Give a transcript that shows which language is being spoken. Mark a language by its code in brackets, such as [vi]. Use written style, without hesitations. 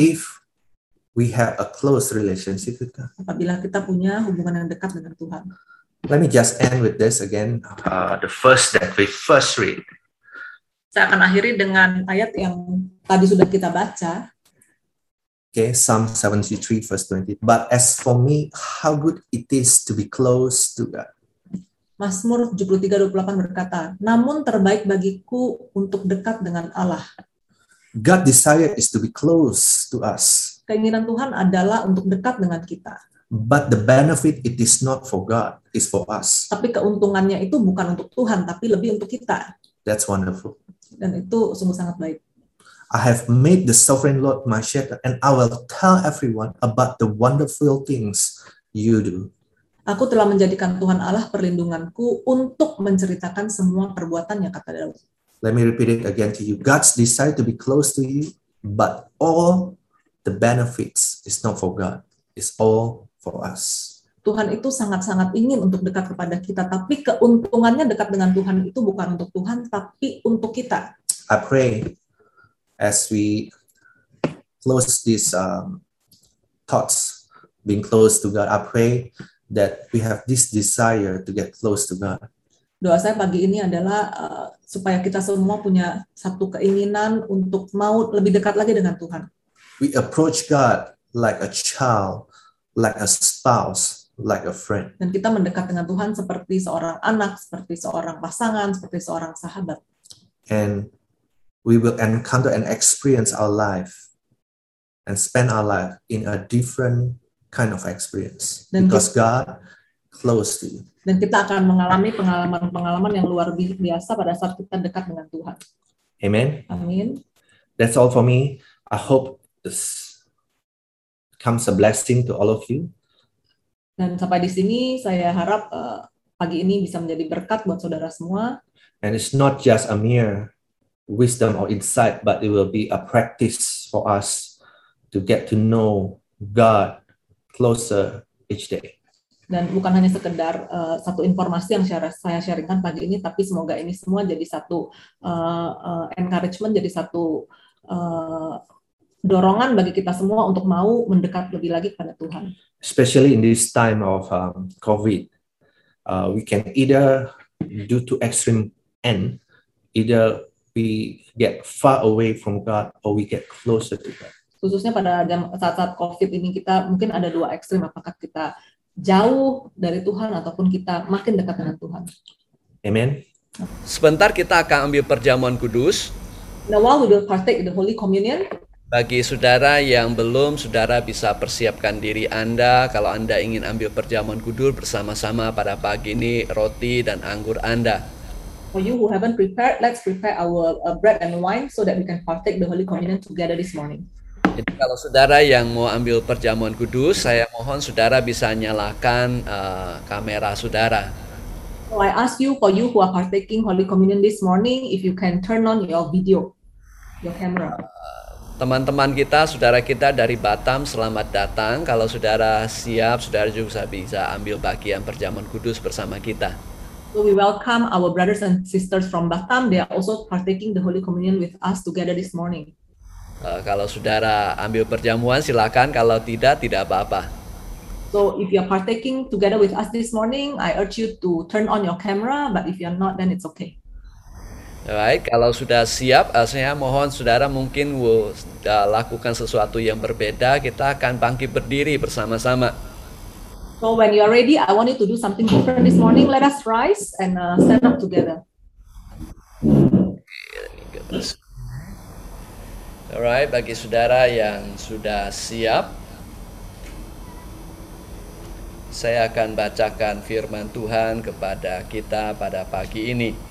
[en] If we have a close relationship with God. [id] Apabila kita punya hubungan yang dekat dengan Tuhan. [en] Let me just end with this again. The first that we first read. [id] Saya akan akhiri dengan ayat yang tadi sudah kita baca. [en] Okay, Psalm 73 verse 20. But as for me, how good it is to be close to God. [id] Mazmur 73:28 berkata, namun terbaik bagiku untuk dekat dengan Allah. [en] God desire is to be close to us. [id] Keinginan Tuhan adalah untuk dekat dengan kita. [en] But the benefit it is not for God, it's for us. [id] Tapi keuntungannya itu bukan untuk Tuhan, tapi lebih untuk kita. [en] That's wonderful. [id] Dan itu sungguh sangat baik. [en] I have made the sovereign Lord my shepherd, and I will tell everyone about the wonderful things you do. [id] Aku telah menjadikan Tuhan Allah perlindunganku untuk menceritakan semua perbuatannya, kata Daud. [en] Let me repeat it again to you. God's desire to be close to you, but all the benefits is not for God. It's all for us. [id] Tuhan itu sangat-sangat ingin untuk dekat kepada kita, tapi keuntungannya dekat dengan Tuhan itu bukan untuk Tuhan, tapi untuk kita. [en] I pray as we close these thoughts, being close to God, I pray that we have this desire to get close to God. [id] Doa saya pagi ini adalah supaya kita semua punya satu keinginan untuk mau lebih dekat lagi dengan Tuhan. [en] We approach God like a child, like a spouse, like a friend. [id] Dan kita mendekat dengan Tuhan seperti seorang anak, seperti seorang pasangan, seperti seorang sahabat. [en] And we will encounter and experience our life and spend our life in a different kind of experience dan because God close to you. [id] Dan kita akan mengalami pengalaman-pengalaman yang luar biasa pada saat kita dekat dengan Tuhan. [en] Amen. [id] Amin. [en] That's all for me. I hope this comes a blessing to all of you. [id] Dan sampai di sini saya harap pagi ini bisa menjadi berkat buat saudara semua. [en] And it's not just a mere wisdom or insight, but it will be a practice for us to get to know God closer each day. [id] Dan bukan hanya sekedar satu informasi yang saya sharingkan pagi ini, tapi semoga ini semua jadi satu encouragement, jadi satu dorongan bagi kita semua untuk mau mendekat lebih lagi kepada Tuhan. [en] Especially in this time of COVID, we can either due to extreme end, either we get far away from God or we get closer to God. [id] Khususnya pada saat-saat COVID ini kita mungkin ada dua ekstrim, apakah kita jauh dari Tuhan ataupun kita makin dekat dengan Tuhan. [en] Amen. [id] Sebentar kita akan ambil perjamuan kudus. [en] Now while we will partake the Holy Communion. [id] Bagi saudara yang belum, saudara bisa persiapkan diri Anda. Kalau Anda ingin ambil perjamuan kudus bersama-sama pada pagi ini, roti dan anggur Anda. [en] For you who haven't prepared, let's prepare our bread and wine so that we can partake the Holy Communion together this morning. [id] Jadi kalau saudara yang mau ambil perjamuan kudus, saya mohon saudara bisa nyalakan kamera saudara. [en] So I ask you, for you who are partaking Holy Communion this morning, if you can turn on your video, your camera. [id] Teman-teman kita, saudara kita dari Batam, selamat datang. Kalau saudara siap, saudara juga bisa ambil bagian perjamuan kudus bersama kita. [en] So we welcome our brothers and sisters from Batam. They are also partaking the Holy Communion with us together this morning. [id] Kalau saudara ambil perjamuan silakan, kalau tidak tidak apa-apa. [en] So if you are partaking together with us this morning, I urge you to turn on your camera, but if you are not then it's okay. [id] Alright, kalau sudah siap saya mohon saudara mungkin sudah lakukan sesuatu yang berbeda, kita akan bangkit berdiri bersama-sama. [en] So when you are ready, I want you to do something different this morning. Let us rise and stand up together. [id] Alright, bagi saudara yang sudah siap, saya akan bacakan firman Tuhan kepada kita pada pagi ini.